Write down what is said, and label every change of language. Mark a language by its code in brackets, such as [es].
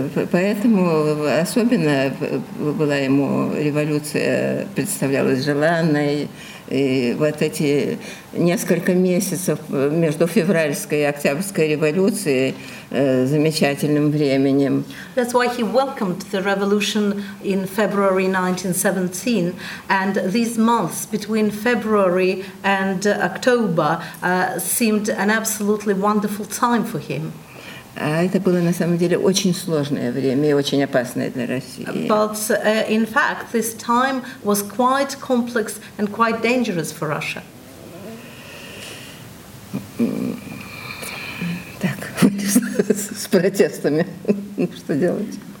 [ru] Поэтому особенно была ему революция, представлялась желанной, и вот эти несколько месяцев между февральской и октябрьской революцией замечательным временем. [en] That's why he welcomed the revolution in February 1917, and these months between February and October seemed an absolutely wonderful time for him. [ru] А это было на самом деле очень сложное время и очень опасное для России. [en] But in fact, this time was quite complex and quite dangerous for Russia. [ru] Так, с протестами, что делать?